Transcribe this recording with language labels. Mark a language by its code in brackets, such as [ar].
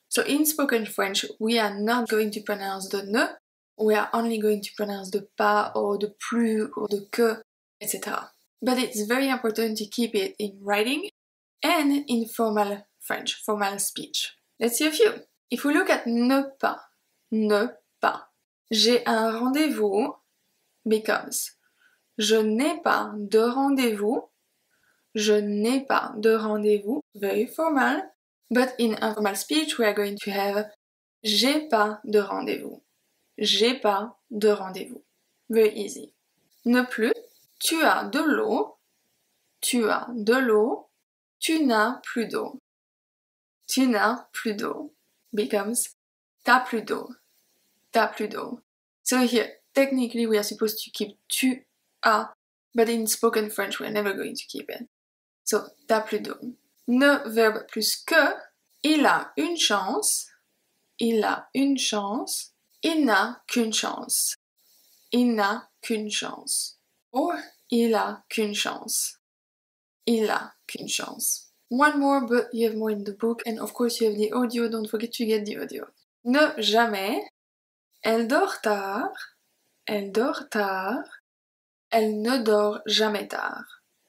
[en] So in spoken French, we are not going to pronounce the ne, we are only going to pronounce the pas, or the plus, or the que, etc. But it's very important to keep it in writing and in formal French, formal speech. Let's see a few. If we look at ne pas, ne pas. [fr] J'ai un rendez-vous [en] becomes [fr] je n'ai pas de rendez-vous. Je n'ai pas de rendez-vous. [en] Very formal. But in informal speech, we are going to have [fr] j'ai pas de rendez-vous. J'ai pas de rendez-vous. [en] Very easy. [fr] Ne plus. Tu as de l'eau. Tu as de l'eau. Tu n'as plus d'eau. Tu n'as plus d'eau. [en] Becomes [fr] t'as plus d'eau. T'as plus d'eau. [en] So here, technically, we are supposed to keep [fr] tu as, [en] but in spoken French, we're never going to keep it. [fr] So, t'as plus d'eau. Ne verbe plus que, il a une chance, il a une chance, il n'a qu'une chance, il n'a qu'une chance. Or, il a qu'une chance, il a qu'une chance. [en] One more, but you have more in the book, and of course you have the audio, don't forget to get the audio. [fr] Ne jamais, elle dort tard, elle dort tard, elle ne dort jamais tard.